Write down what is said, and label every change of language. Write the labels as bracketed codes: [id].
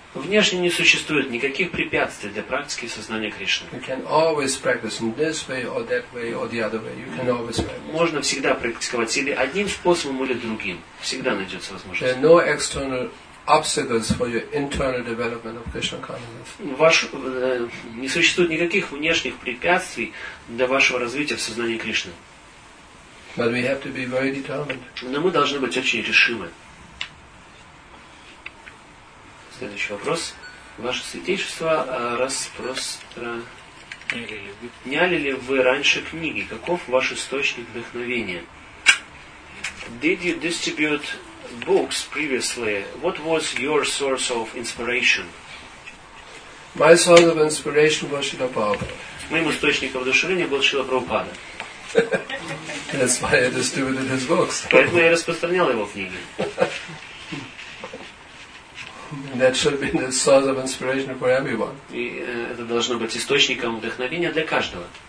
[ru] Внешне не существует никаких препятствий для практики сознания Кришны. [en] You can always practice in this way or that way or the other way. You can always practice. [ru] Можно всегда практиковать или одним способом или другим. Всегда найдется возможность. [en] There are no external obstacles for your internal development of Krishna consciousness. [ru] Не существует никаких внешних препятствий для вашего развития в сознании Кришны. [en] But we have to be very determined. [ru] Но мы должны быть очень решимы. Следующий вопрос. Ваше святейшество, распространяли ли вы раньше книги? Каков ваш источник вдохновения? [en] Did you distribute books previously? What was your source of inspiration? My source of inspiration was Srila Prabhupada. [ru] Моим источником вдохновения был Шрила Прабхупада. [en] That's why I distributed his books. [ru] Поэтому я распространял его книги. [en] That should be the source of inspiration for everyone. [ru] И это должно быть источником вдохновения для каждого.